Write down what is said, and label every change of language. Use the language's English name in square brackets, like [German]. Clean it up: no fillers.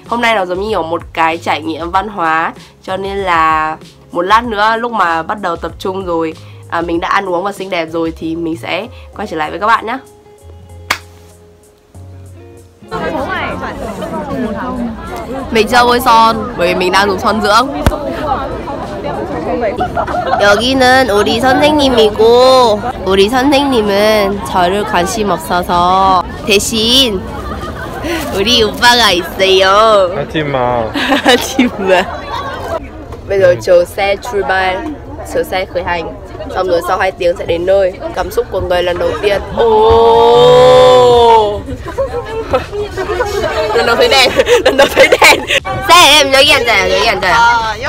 [Vietnamese] Hôm nay nó giống như một cái trải nghiệm văn hóa, cho nên là một lát nữa lúc mà bắt đầu tập trung rồi, mình đã ăn uống và xinh đẹp rồi thì mình sẽ quay trở lại với các bạn nhé. Mình chưa bôi son bởi mình đang dùng son dưỡng. [Korean] 여기는 우리 선생님이고 우리 선생님은 저를 관심 없어서 대신 우리 오빠가 있어요. 하지 마. 하지 마. [Vietnamese] Bây giờ chờ xe trui chờ xe khởi hành. Xong rồi sau 2 tiếng sẽ đến nơi. Cảm xúc của người lần đầu tiên. Oh. Lần đầu thấy đèn. Lần đầu thấy đèn. Xe em nhớ hiện tại, nhớ hiện tại.